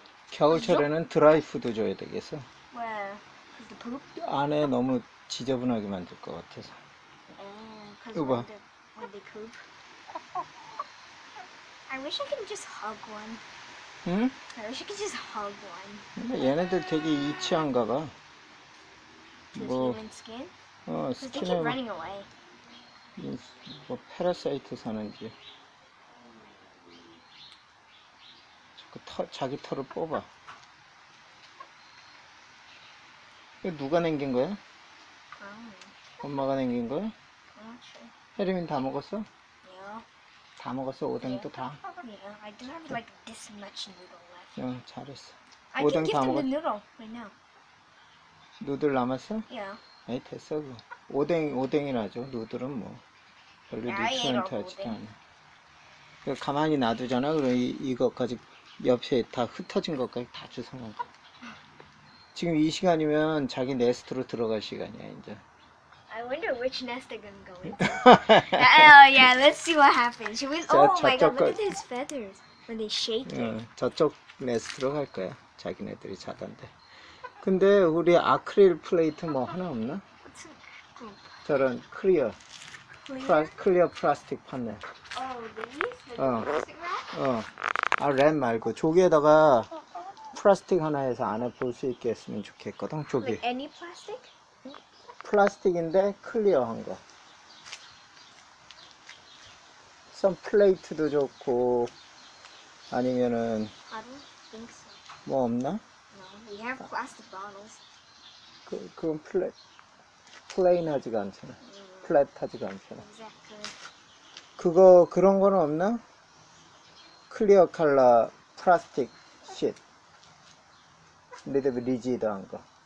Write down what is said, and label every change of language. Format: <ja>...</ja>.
<ko>겨울철에는 드라이푸드 줘야 되겠어. 왜? 안에 너무 지저분하게 만들 것 같아서. 이거 봐.</ko> <en>I wish I could just hug one. 응? I wish I could just hug one.</en> <ko>근데 얘네들 되게 이치한가 봐.</ko> <en>뭐, human skin?</en> <ko>어, 스킨은...</ko> <en>They keep running away.</en> <ko>뭐 패러사이트 사는지. 자꾸 털, 자기 털을 뽑아. 이거 누가 남긴 거야? 엄마가 남긴 거야?</ko> <en>I'm not sure.</en> <ko>혜림이 다 먹었어? 다 먹었어. 오뎅도</ko> <en>yeah.</en> <ko>다.</ko> <en>Yeah, I do have like this much noodle left.</en> <ko>응, 잘했어. 오뎅 다 먹어.</ko> <en>I can give them the noodle right now.</en> <ko>누들 남았어?</ko> <en>Yeah.</en> <ko>에이, 됐어. 그. 오뎅, 오뎅이라죠. 누들은 뭐. 별로 뉴트리언트 하지도 않아. 이거 가만히 놔두잖아. 그럼 이, 이것까지 옆에 다 흩어진 것까지 다 주워먹어. 지금 이 시간이면 자기 네스트로 들어갈 시간이야, 이제.</ko> <en>I wonder which nest they're gonna go into. Oh yeah, let's see what happens. She went. Oh</en> <ko>저,</ko> <en>my god, look at his feathers when they shake it.</en> <ko>저쪽 네스트로 갈 거야. 자기네들이 자던데. 근데 우리 아크릴 플레이트 뭐 하나 없나? 저런 클리어. 클리어 플라스틱 판넬.</ko> <en>Oh, these? The plastic</en> <ko>wrap? 어. 아, 램 말고 조개에다가 플라스틱 하나 해서 안에 볼 수 있게 했으면 좋겠거든, 조개.</ko> <en>Like any plastic?</en> <ko>플라스틱인데 클리어한 거. 선 플레이트도 좋고 아니면은</ko> <en>I don't think so.</en> <ko>뭐 없나?</ko> <en>No, we have plastic bottles.</en> <ko>그 그건 플레인하지가 않잖아. 플랫하지가 않잖아.</ko> <en>Exactly.</en> <ko>그거 그런 거는 없나? 클리어 컬러 플라스틱 sheet. 리드 리지드한 거.</ko>